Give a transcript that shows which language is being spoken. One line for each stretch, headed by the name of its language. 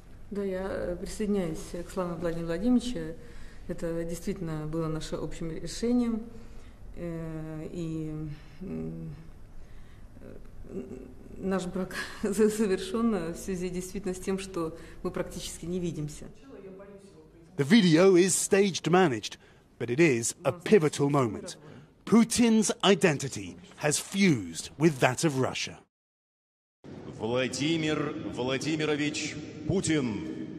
Russian: Да, я присоединяюсь к словам Владимира Владимировича. Это действительно было наше общим решением. И наш брак завершен в связи действительно с тем, что мы практически не видимся.
English: The video is staged managed, but it is a pivotal moment. Putin's identity has fused with that of Russia.
Russian: Владимир Владимирович Путин.